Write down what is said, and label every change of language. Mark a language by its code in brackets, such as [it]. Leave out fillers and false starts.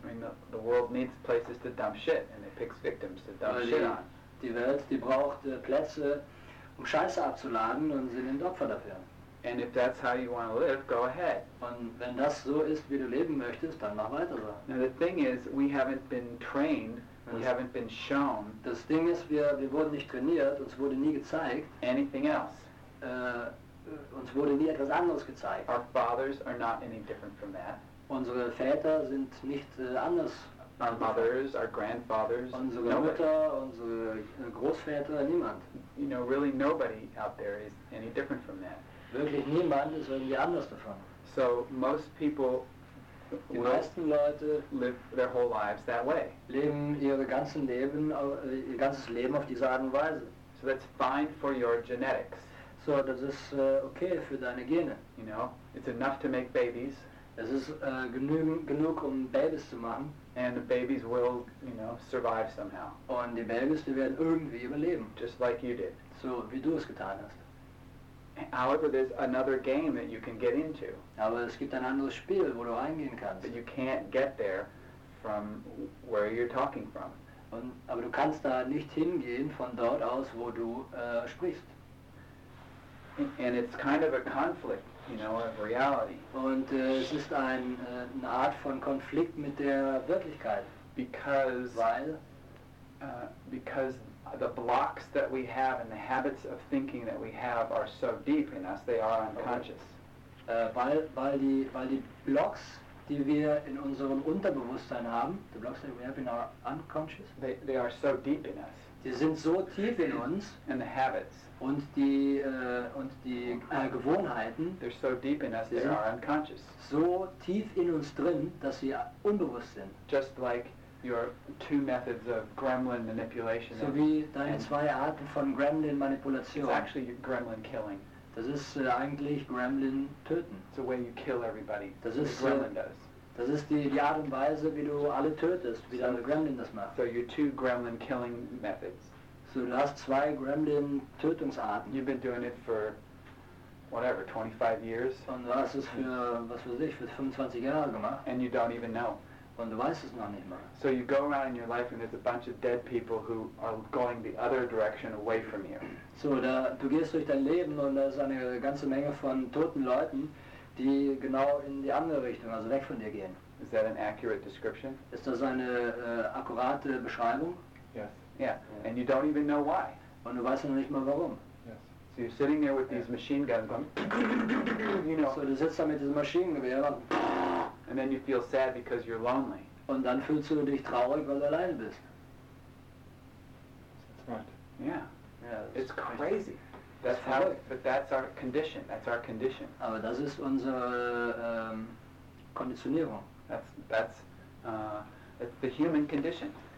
[en] I mean, the world needs places to dump shit, and it picks victims to dump shit on. [de] Die Welt, die braucht Plätze. Scheiße abzuladen und sie nimmt Opfer dafür. [en] And if that's how you want to live, go ahead. [de] Und wenn das so ist, wie du leben möchtest, dann mach weiter so. [en] Now the thing is, we haven't been trained, we haven't been shown. [de] Das Ding ist, wir wurden nicht trainiert, uns wurde nie gezeigt. [en] Anything else. [de] Uns wurde nie etwas anderes gezeigt. [en] Our fathers are not any different from that. [de] Unsere Väter sind nicht anders. [en] Our mothers, our grandfathers, [de] unsere [en] nobody. [de] Mutter, unsere Großväter, niemand. [en] You know, really nobody out there is any different from that. [de] Wirklich niemand ist irgendwie anders davon. [en] So most people, [de] die meisten Leute, [en] live their whole lives that way. [de] Leben ihr ganzes Leben auf diese Art und Weise. [en] So that's fine for your genetics. [de] So das ist okay für deine Gene. [en] You know, it's enough to make babies. [de] Es ist genug, um Babys zu machen. [en] And the babies will, you know, survive somehow. [de] Und die Babys, die werden irgendwie überleben. [en] Just like you did. [de] So wie du es getan hast. [en] However, there's another game that you can get into. [de] Aber es gibt ein anderes Spiel, wo du reingehen kannst. [en] But you can't get there from where you're talking from. [de] Aber du kannst da nicht hingehen von dort aus, wo du sprichst. [en] And it's kind of a conflict. You know, of reality. [de] Und es ist eine Art von Konflikt mit der Wirklichkeit. [en] Because the blocks that we have and the habits of thinking that we have are so deep in us, they are unconscious. [de] Weil die Blocks, die wir in unserem Unterbewusstsein haben, [en] the blocks that we have in our unconscious, they are so deep in us. [de] Die sind so tief in uns. [en] And the habits. [de] Und die Gewohnheiten, [en] they're so deep in us, they are unconscious. [de] So tief in uns drin, dass sie unbewusst sind. [en] Just like your two methods of gremlin manipulation. [de] So wie deine zwei Arten von Gremlin Manipulation. [en] It's actually gremlin killing. [de] Das ist eigentlich Gremlin töten. [en] It's the way you kill everybody. [de] Das ist [en] gremlin does. [de] Das ist die Art und Weise, wie du alle tötest, wie deine Gremlin das macht. [en] So your two gremlin killing methods. [de] So du hast zwei Gremlin-Tötungsarten. [en] You've been doing it for, whatever, 25 years. [de] Und du hast es für, was weiß ich, für 25 Jahre gemacht. [en] And you don't even know. [de] Und du weißt es noch nicht mehr. [en] So you go around in your life and there's a bunch of dead people who are going the other direction away from you. [de] So du gehst durch dein Leben und da ist eine ganze Menge von toten Leuten, die genau in die andere Richtung, also weg von dir gehen. [en] Is that an accurate description? [de] Ist das eine akkurate Beschreibung? [en] Yeah, and you don't even know why. [de] Und du weißt noch nicht mal warum. [en] Yes. So you're sitting there with these machine guns going, you know. [de] So du sitzt da mit diesem Maschinengewehr. [en] And then you feel sad because you're lonely. [de] Und dann fühlst du dich traurig, weil du alleine bist. [en] That's right. Yeah. It's crazy. That's how. But that's our condition. That's our condition. [de] Aber das ist unsere Konditionierung. [en] That's the human condition.